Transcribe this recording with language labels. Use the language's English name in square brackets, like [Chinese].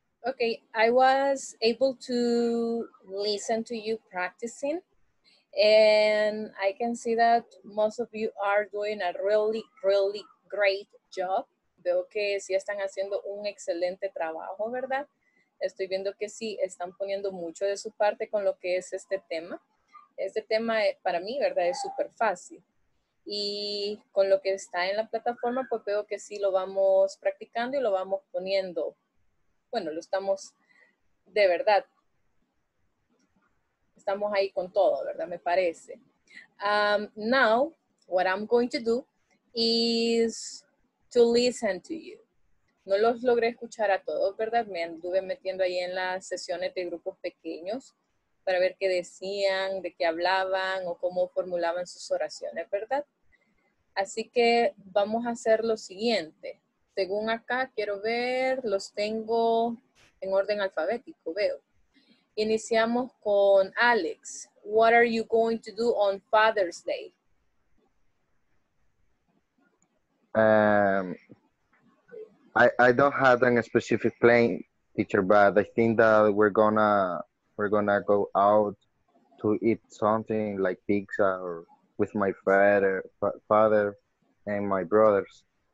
[English] Okay, I was able to listen to you practicing. And I can see that most of you are doing a really, really great job. [Spanish] Veo que sí están haciendo un excelente trabajo, ¿verdad? Estoy viendo que sí están poniendo mucho de su parte con lo que es este tema. Este tema para mí, ¿verdad? Es súper fácil. Y con lo que está en la plataforma, pues veo que sí lo vamos practicando y lo vamos poniendo. Bueno, lo estamos de verdad. Estamos ahí con todo, ¿verdad? Me parece. [English] Now, what I'm going to do is to listen to you. [Spanish] No los logré escuchar a todos, ¿verdad? Me anduve metiendo ahí en las sesiones de grupos pequeños para ver qué decían, de qué hablaban o cómo formulaban sus oraciones, ¿verdad? Así que vamos a hacer lo siguiente. Según acá, quiero ver, los tengo en orden alfabético, veo. Iniciamos con Alex. [English] What are you going to do on Father's Day? I don't have a specific plan, teacher, but I think that we're gonna go out to eat something like pizza or with my father and my brothers.